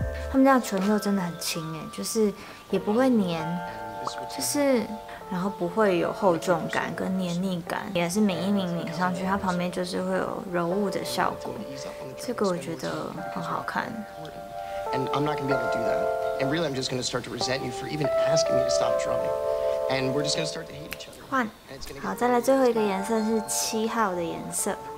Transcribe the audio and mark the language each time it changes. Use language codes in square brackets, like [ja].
[zh] 他们家的纯肉真的很轻哎，就是也不会黏，就是然后不会有厚重感跟黏腻感，也是抿一抿抿上去，它旁边就是会有柔雾的效果，这个我觉得很好看。 [en] And I'm not gonna be able to do that. And really, I'm just gonna start to resent you for even asking me to stop drumming. And we're just gonna start to hate each other. [zh] 换，好，再来最后一个颜色是七号的颜色。